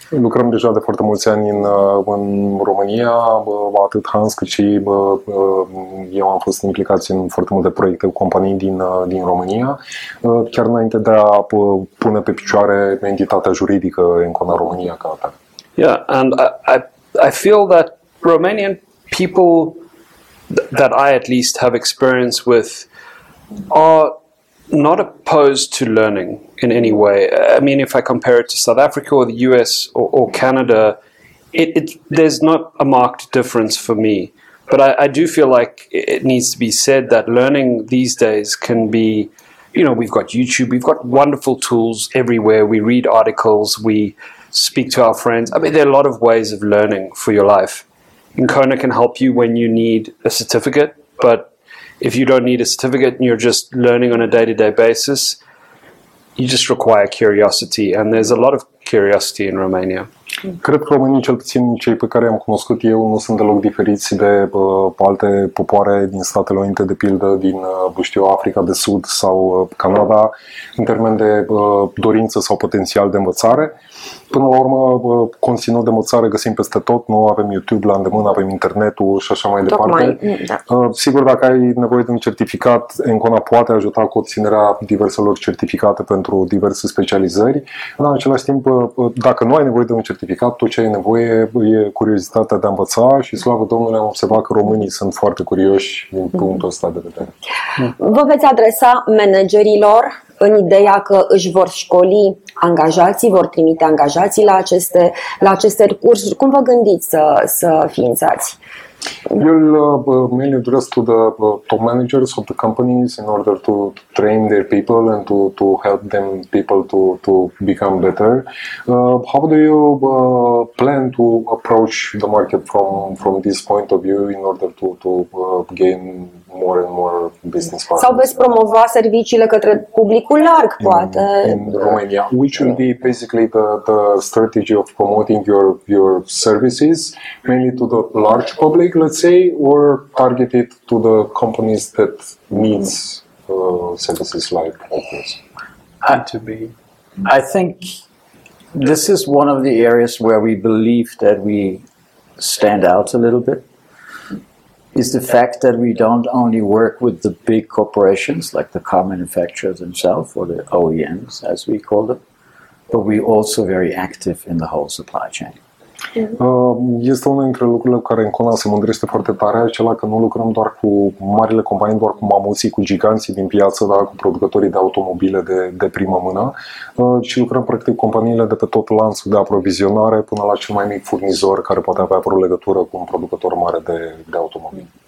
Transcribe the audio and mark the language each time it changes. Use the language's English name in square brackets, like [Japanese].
[Romanian] Lucrăm deja de foarte mulți ani în România, atât Hans cât și eu am fost implicați în foarte multe proiecte cu companii din România, chiar înainte de a pune pe picioare entitatea juridică Incona România ca atare. [English] Yeah, and I feel that Romanian people that I at least have experience with are not opposed to learning in any way. I mean, if I compare it to South Africa or the US or Canada, there's not a marked difference for me. But I do feel like it needs to be said that learning these days can be, you know, we've got YouTube, we've got wonderful tools everywhere. We read articles, we speak to our friends. I mean, there are a lot of ways of learning for your life. Incona can help you when you need a certificate, but if you don't need a certificate and you're just learning on a day-to-day basis, you just require curiosity, and there's a lot of curiosity in Romania. [Romanian] Cred că românii, cel puțin cei pe care am cunoscut eu, nu sunt deloc diferiți de alte popoare din Statele Unite, de pildă din Africa de Sud sau Canada, în termen de dorință sau potențial de învățare. Până la urmă, conținut de învățare găsim peste tot, nu avem YouTube la îndemână, avem internetul și așa mai departe. Sigur, dacă ai nevoie de un certificat, Incona poate ajuta cu obținerea diverselor certificate pentru diverse specializări. În același timp, dacă nu ai nevoie de un certificat, tot ce ai nevoie e curiozitatea de a învăța și, slavă Domnului, am observat că românii sunt foarte curioși din punctul ăsta de vedere. Vă veți adresa managerilor în ideea că își vor școli angajații, vor trimite angajații la aceste cursuri? Cum vă gândiți să ființați? [English] You'll mainly address to the top managers of the companies in order to train their people and to help them people to become better. How do you plan to approach the market from this point of view in order to gain more and more business partners? [Romanian] Sau veți promova serviciile către publicul larg, poate? [English] In Romania, which will be basically the strategy of promoting your services mainly to the large public, let's say, or targeted to the companies that needs services like office? I think this is one of the areas where we believe that we stand out a little bit, is the fact that we don't only work with the big corporations, like the car manufacturers themselves, or the OEMs, as we call them, but we're also very active in the whole supply chain. [Romanian] Este unul dintre lucrurile cu care Incona se mândrește foarte tare, acela că nu lucrăm doar cu marile companii, doar cu mamuții, cu giganții din piață, dar cu producătorii de automobile de primă mână, ci lucrăm practic cu companiile de pe tot lanțul de aprovizionare până la cel mai mic furnizor care poate avea vreo legătură cu un producător mare de automobil.